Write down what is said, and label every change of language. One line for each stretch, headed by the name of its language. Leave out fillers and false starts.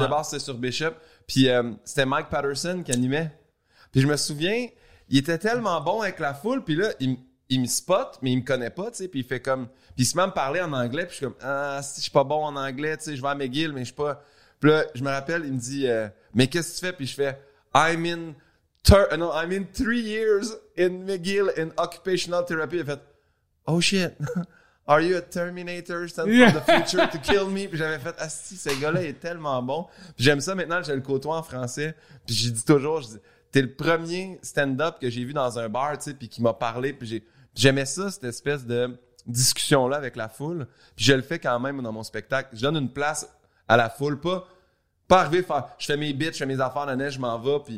French: D'abord, c'était sur Bishop. Puis c'était Mike Patterson qui animait. Puis je me souviens, il était tellement bon avec la foule. Puis là, il me spot, mais il me connaît pas, tu sais. Puis il fait comme... Puis il se met à me parler en anglais. Puis je suis comme, ah, si je suis pas bon en anglais, tu sais, je vais à McGill, mais je suis pas... Puis là, je me rappelle, il me dit, mais qu'est-ce que tu fais? Puis je fais,
English: I'm in 3 years in McGill in occupational therapy.
French: Il fait,
English: oh shit, are you a Terminator sent from the future to kill me?
French: Puis j'avais fait, ah si, ce gars-là est tellement bon. Puis j'aime ça, maintenant, je le côtoie en français. Puis j'ai dit toujours, je dis, t'es le premier stand-up que j'ai vu dans un bar, tu sais, puis qui m'a parlé. Puis j'aimais ça, cette espèce de discussion-là avec la foule. Puis je le fais quand même dans mon spectacle. Je donne une place à la foule, pas arriver à faire, je fais mes bits, je fais mes affaires, l'année, je m'en vais.